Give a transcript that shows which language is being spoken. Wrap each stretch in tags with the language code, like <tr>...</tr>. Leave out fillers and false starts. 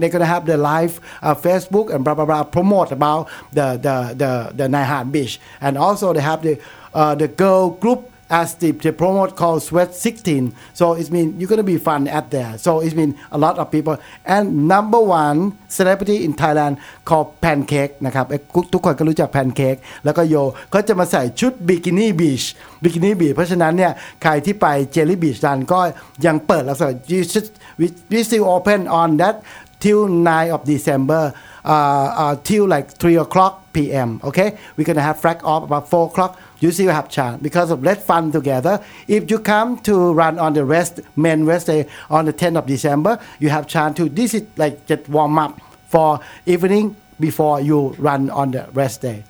<en>They're going to have the live Facebook and blah, blah, blah, promote about the Nai Han Beach. And also they have the girl group as the promote called Sweat 16. So it means you're going to be fun at there. So it means a lot of people. And number one celebrity in Thailand called Pancake.</en> <th>นะครับ ทุกคนก็รู้จัก Pancake. แล้วก็โยเขาจะมาใส่ชุด Bikini Beach. Bikini Beach. เพราะฉะนั้นเนี่ยใครที่ไป Jelly Beach Run ก็ยังเปิดแล้วสิ</th> <en>we still open on that till 9 of December. Till like 3:00 p.m. Okay? We're going to have flag off about 4:00. You see, you have chance because of let's fun together. If you come to run on the rest, main rest day on the 10th of December, you have chance to, this is like just warm up for evening before you run on the rest day.</en>